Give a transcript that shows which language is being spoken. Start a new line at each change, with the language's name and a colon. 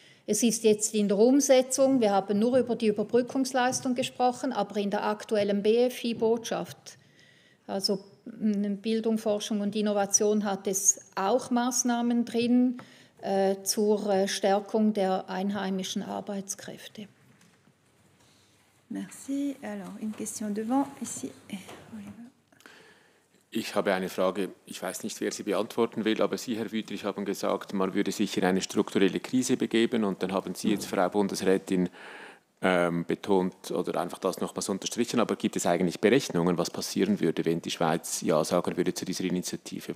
German: Es ist jetzt in der Umsetzung, wir haben nur über die Überbrückungsleistung gesprochen, aber in der aktuellen BFI-Botschaft, also Bildung, Forschung und Innovation, hat es auch Maßnahmen drin zur Stärkung der einheimischen Arbeitskräfte.
French: Merci. Alors, une question devant, ici.
German: Ich habe eine Frage, ich weiß nicht, wer sie beantworten will, aber Sie, Herr Wüthrich, haben gesagt, man würde sich in eine strukturelle Krise begeben und dann haben Sie jetzt, Frau Bundesrätin, betont oder einfach das nochmals unterstrichen, aber gibt es eigentlich Berechnungen, was passieren würde, wenn die Schweiz Ja sagen würde zu dieser Initiative?